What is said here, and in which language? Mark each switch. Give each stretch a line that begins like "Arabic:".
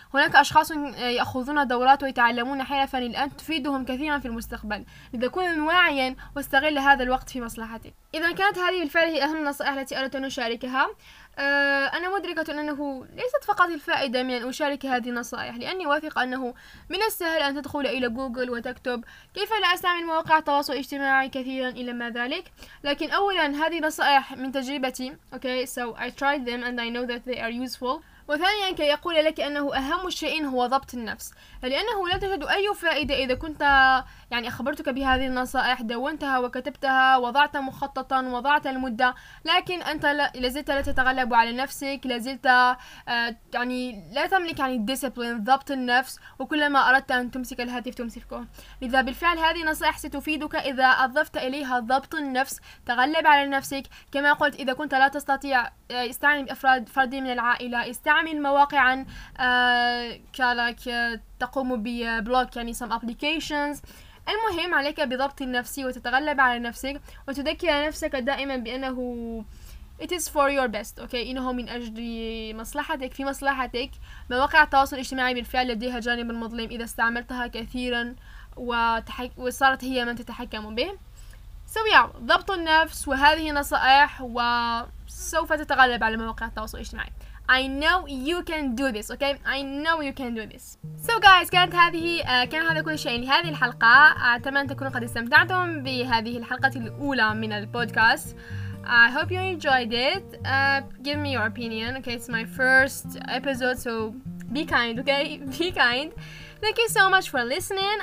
Arabic: هناك أشخاص يأخذون دورات ويتعلمون حرفا الآن تفيدهم كثيرا في المستقبل، لذا كن واعيا واستغل هذا الوقت في مصلحتك. إذا كانت هذه بالفعل هي أهم النصائح التي أردت أن أشاركها. أنا مدركة أنه ليست فقط الفائدة من أن أشارك هذه النصائح، لأني واثق أنه من السهل أن تدخل إلى جوجل وتكتب كيف لا أستعمل مواقع التواصل الاجتماعي كثيرا إلى ما ذلك. لكن أولا هذه نصائح من تجربتي،
English: okay so I tried them and I know that they are useful.
Arabic: وثانيا كي أقول لك أنه أهم شيء هو ضبط النفس، لأنه لا تجد أي فائدة إذا كنت يعني أخبرتك بهذه النصائح، دونتها وكتبتها، وضعت مخططا، وضعت المدة، لكن أنت لازلت لا تتغلب على نفسك، لازلت يعني لا تملك يعني الديسيبلين، ضبط النفس، وكلما أردت أن تمسك الهاتف تمسكه. لذا بالفعل هذه نصائح ستفيدك إذا أضفت إليها ضبط النفس، تغلب على نفسك. كما قلت، إذا كنت لا تستطيع استعين بأفراد فردي من العائلة، استعمل مواقعا كالك تقوم ببلوك، يعني
English: some applications.
Arabic: المهم عليك بضبط النفس وتتغلب على نفسك، وتذكر نفسك دائما بأنه
English: it is for your best، okay
Arabic: إنه من أجل مصلحتك، في مصلحتك. مواقع التواصل الاجتماعي بالفعل لديها جانب مظلم إذا استعملتها كثيرا وصارت هي من تتحكم به.
English: So yeah،
Arabic: ضبط النفس وهذه نصائح، وسوف تتغلب على مواقع التواصل الاجتماعي.
English: I know you can do this, okay? I know you can do this. So guys،
Arabic: كان هذا كل شيء لهذه الحلقة. أتمنى أن تكونوا قد استمتعتم بهذه الحلقة الأولى من البودكاست.
English: I hope you enjoyed it. Give me your opinion, okay? It's my first episode, so be kind, okay? Be kind. Thank you so much for listening.